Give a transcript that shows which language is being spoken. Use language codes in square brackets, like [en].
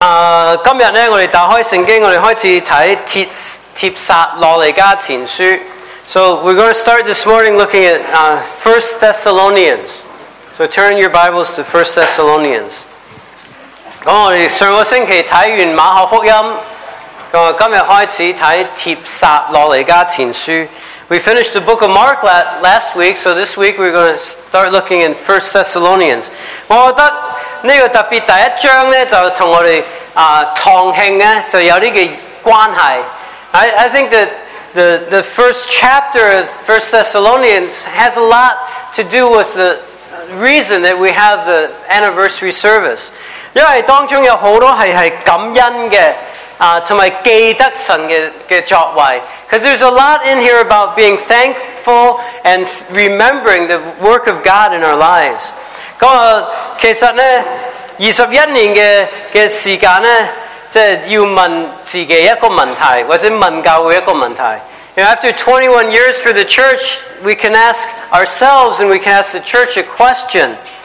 [zh] 今天呢，我们打开圣经，我们开始看帖撒罗尼迦前书。 [en] So we're going to start this morning looking at 1 Thessalonians. So turn your Bibles to 1 Thessalonians. [zh] 我们上个星期看完马可福音，今天开始看帖撒罗尼迦前书。 [en] We finished the book of Mark last week, so this week we're going to start looking in 1 Thessalonians. [zh] 我觉得这个特别第一章呢，就跟我们堂庆呢，就有这个关系。 [en] I think that the first chapter of 1 Thessalonians has a lot to do with the reason that we have the anniversary service. [zh] 因为当中有很多是感恩的。 [en] Because there's a lot in here about being thankful and remembering the work of God in our lives. After 21 years for the church, we can ask ourselves and we can ask the church a question.